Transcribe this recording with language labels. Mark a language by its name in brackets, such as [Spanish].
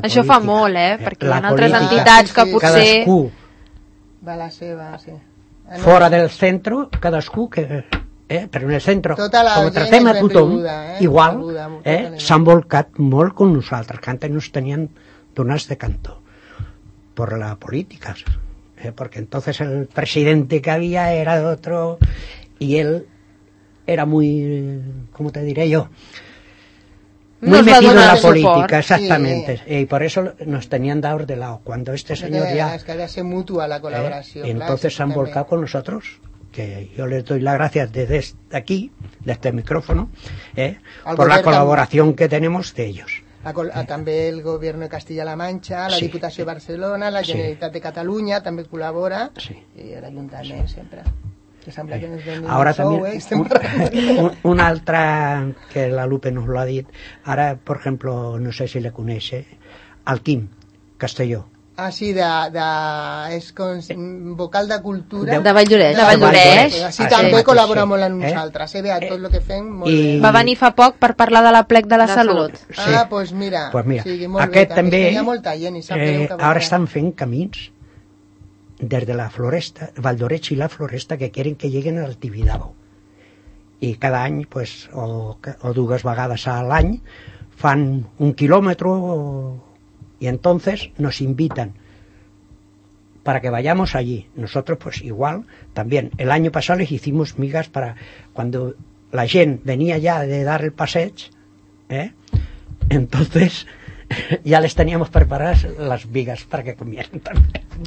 [Catalan] això política... Això fa molt, perquè hi ha altres entitats que potser... Cadascú... Va la seva, Fora del centre, cadascú que... però en el centre, com tractem a tothom, igual, s'han volcat molt amb nosaltres, que antes no es tenien... [Spanish] Donats de cantó por la política, porque entonces el presidente que había era de otro y él era muy, ¿cómo te diré yo? Muy metido en la política, exactamente. Sí. Y por eso nos tenían dado de lado. Cuando este señor ya. Es que se mutua la colaboración. Entonces se han volcado con nosotros, que yo les doy las gracias desde aquí, desde este micrófono, por la colaboración que tenemos de ellos. [Catalan] També el govern de Castilla-La Manxa, la Diputació de Barcelona, la Generalitat de Catalunya també col·labora i l'Ajuntament sempre. Ara també una altra que la Lupe nos l'ha dit, ara per exemple, no sé si la coneix, el Quim Castelló. Ah, sí, de és com vocal de cultura. De Valldoreix. De Valldoreix. Sí, també col·laboram amb nosaltres. Bé, tot el que fem, molt bé. Va venir fa poc per parlar de l'aplec de la salut. Ah, doncs mira. Doncs mira, aquest també... Hi ha molta gent i sap greu que... Ara estan fent camins des de la Floresta, Valldoreix i la Floresta, que queren que lleguen al Tibidabo. I cada any, pues, o dues vegades a l'any, fan un quilòmetre o... [Spanish] Y entonces nos invitan para que vayamos allí. Nosotros, pues igual, también. El año pasado les hicimos migas para cuando la gente venía ya de dar el paseig, entonces ya les teníamos preparadas las migas para que comieran también.